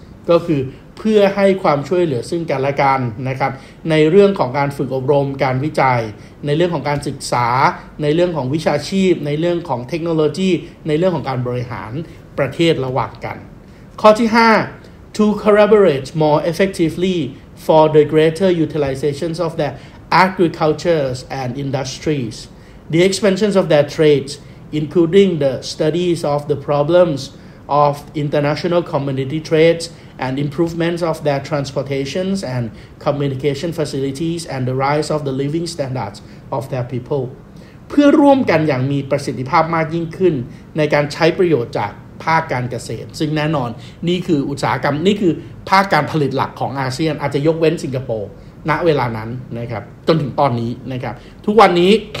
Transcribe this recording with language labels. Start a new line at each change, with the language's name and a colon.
Thai: ก็คือเพื่อให้ความช่วยเหลือซึ่งกันและกันนะครับในเรื่องของการฝึกอบรมการวิจัยในเรื่องของการศึกษาในเรื่องของวิชาชีพในเรื่องของเทคโนโลยีในเรื่องของการบริหารประเทศระหว่างกันข้อที่5
English: to collaborate more effectively for the greater utilization of their agricultures and industries. The expansion of their trades, including the studies of the problems of international commodity trades and improvements of their transportations and communication facilities and the rise of the living standards of their people.
Thai: เพื่อร่วมกันอย่างมีประสิทธิภาพมากยิ่งขึ้นในการใช้ประโยชน์จากภาคการเกษตรซึ่งแน่นอนนี่คืออุตสาหกรรมนี่คือภาคการผลิตหลักของอาเซียนอาจจะยกเว้นสิงคโปร์ณเวลานั้นนะครับจนถึงตอนนี้นะครับทุกวันนี้